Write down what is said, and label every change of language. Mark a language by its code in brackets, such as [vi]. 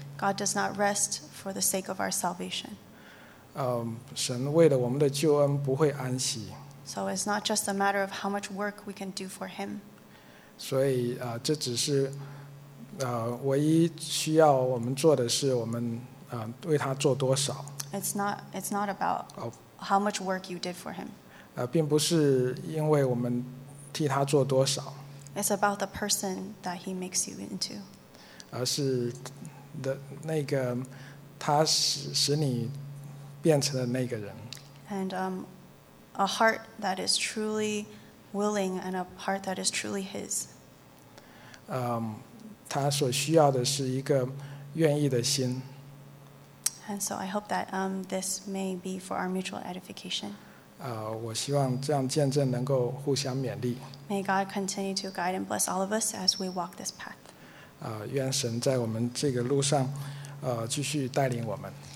[en] God does not rest for the sake of our salvation. [zh] 神为了我们的救恩不会安息。 [en] So it's not just a matter of how much work we can do for Him. [zh] 所以这只是唯一需要我们做的是我们为他做多少。 [en] It's not about how much work you did for Him. [zh] 并不是因为我们替他做多少。 [en] It's about the person that He makes you into. [zh] 而是的那个他使你变成了那个人。 [en] And a heart that is truly willing and a heart that is truly His. [zh] 他所需要的是一个愿意的心。 [en] And so I hope that this may be for our mutual edification. [zh] 我希望这样见证能够互相勉励。 [en] May God continue to guide and bless all of us as we walk this path. [zh] 愿神在我们这个路上继续带领我们。